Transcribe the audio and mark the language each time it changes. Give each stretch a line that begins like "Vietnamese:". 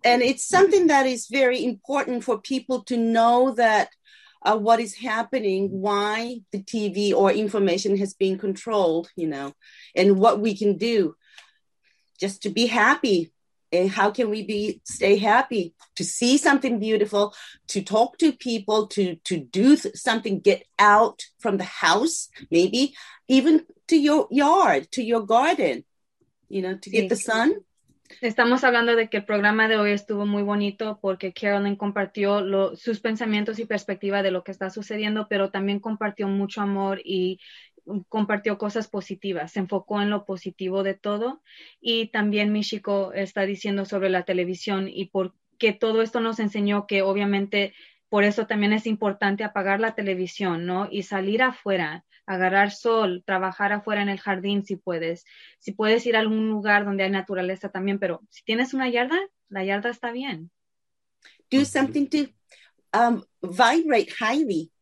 English: And it's something that is very important for people to know that what is happening, why the TV or information has been controlled, you know, and what we can do just to be happy. And how can we stay happy to see something beautiful, to talk to people, to do something, get out from the house, maybe even to your yard, to your garden, you know, to get the sun.
Spanish: Estamos hablando de que el programa de hoy estuvo muy bonito porque Carolyn compartió sus pensamientos y perspectiva de lo que está sucediendo, pero también compartió mucho amor y compartió cosas positivas, se enfocó en lo positivo de todo. Y también Michiko está diciendo sobre la televisión y por qué todo esto nos enseñó que obviamente por eso también es importante apagar la televisión, ¿no? Y salir afuera, agarrar sol, trabajar afuera en el jardín si puedes. Si puedes ir a algún lugar donde hay naturaleza también, pero si tienes una yarda, la yarda está bien.
English: Do something to vibrate highly.